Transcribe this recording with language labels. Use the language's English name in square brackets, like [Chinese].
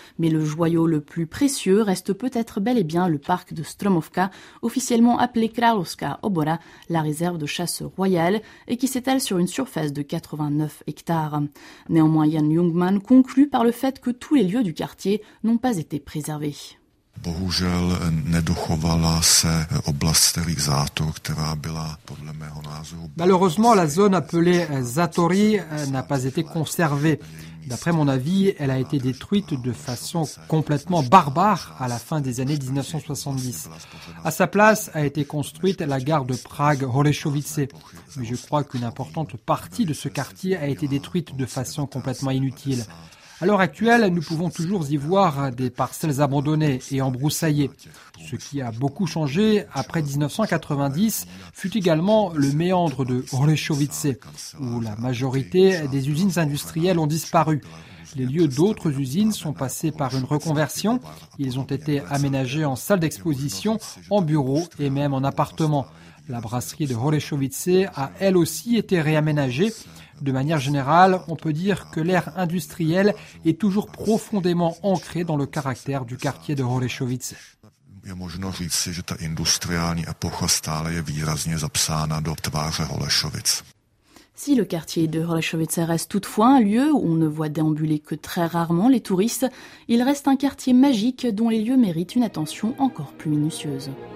[French] Mais le joyau le plus précieux reste peut-être bel et bien le parc de Stromovka, officiellement appelé Královská obora, la réserve de chasse royale, et qui s'étale sur une surface de 89 hectares. Néanmoins, Jan Jungmann conclut par le fait que tous les lieux du quartier n'ont pas été préservés. [Czech] Bohužel nedochovala se oblast starých zátor, která byla podle mého názoru. [French] Malheureusement, la zone appelée Zátory n'a pas été conservée. D'après mon avis, elle a été détruite de façon complètement barbare à la fin des années 1970. À sa place a été construite la gare de Prague Holešovice. Mais je crois qu'une importante partie de ce quartier a été détruite de façon complètement inutile. À l'heure actuelle, nous pouvons toujours y voir des parcelles abandonnées et embroussaillées. Ce qui a beaucoup changé après 1990 fut également le méandre de Holešovice, où la majorité des usines industrielles ont disparu. Les lieux d'autres usines sont passés par une reconversion. Ils ont été aménagés en salles d'exposition, en bureaux et même en appartements. La brasserie de Holešovice a elle aussi été réaménagée. De manière générale, on peut dire que l'ère industrielle est toujours profondément ancrée dans le caractère du quartier de Holešovice. [Czech] Je možno říci, že ta industriální epocha stále je výrazně zapsána do tváře Holešovic. [French] Si le quartier de Holešovice reste toutefois un lieu où on ne voit déambuler que très rarement les touristes, il reste un quartier magique dont les lieux méritent une attention encore plus minutieuse.